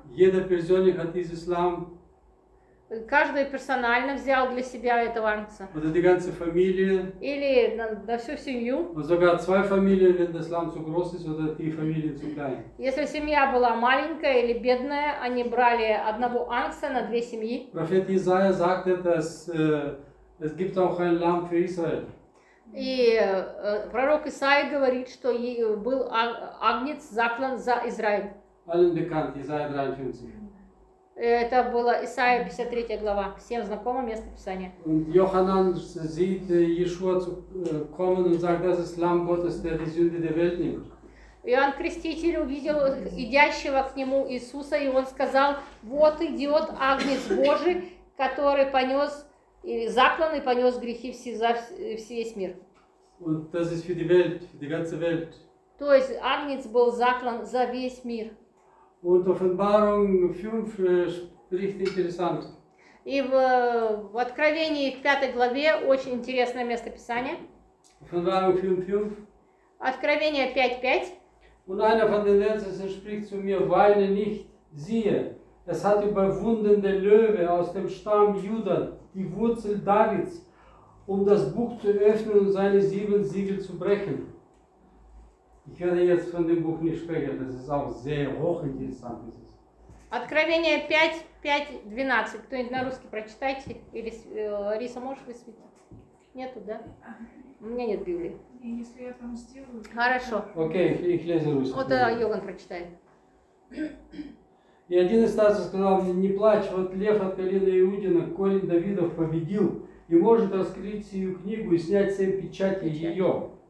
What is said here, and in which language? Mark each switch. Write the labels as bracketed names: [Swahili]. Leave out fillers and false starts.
[German] Jeder persönlich hat dieses Lamm. [Russian] Каждый персонально взял для себя этого Агнца. Вот эта [German] ganze Familie. [Russian] Или на всю семью. [German] Und sogar zwei Familien, wenn das Lamm zu groß ist oder die Familie zu klein. [Russian] Если семья была маленькая или бедная, они брали одного Агнца на две семьи. [German] Prophet Isaiah sagt, dass es gibt auch ein Lamm für Israel. [Russian] И пророк Исаия говорит, что был Агнец заклан за Израиль. [German] Allen bekannt, Isaiah 53. [Russian] Это было Исаия 53 глава. Всем знакомо место Писания. [German] Йоханан sieht Иешуа zu kommen und sagt, das ist Lamm Gottes, der die Sünde der Welt nimmt. [Russian] Иоанн Креститель увидел идящего к нему Иисуса, и он сказал: вот идет Агнец Божий, который понес или заклан и понес грехи за весь мир. [German] Und das ist für die Welt, für die ganze Welt. [Russian] То есть Агнец был заклан за весь мир. [German] Und Offenbarung 5 spricht interessant. [Russian] И в Откровении в 5 главе очень интересное место Писания. [German] Offenbarung 5. [Russian] Откровение 5:5. [German] Und einer von den Ältesten spricht zu mir: Weine nicht, siehe, es hat überwunden der Löwe aus dem Stamm Juda, die Wurzel Davids, um das Buch zu öffnen und seine sieben Siegel zu brechen. Ich werde jetzt von dem Buch nicht sprechen, das ist auch sehr hochinteressant. [Russian] Откровение 5:5-12. Кто-нибудь на русский прочитайте? Или Лариса, можешь высветить? Нету, да? У меня нет Библии. И если я там сделаю... Хорошо. Окей, их лезу русский. Вот Йоган прочитает. И один из старцев сказал мне: не плачь, вот лев от колена Иудина, корень Давидов, победил и может раскрыть сию книгу и снять семь печати ее.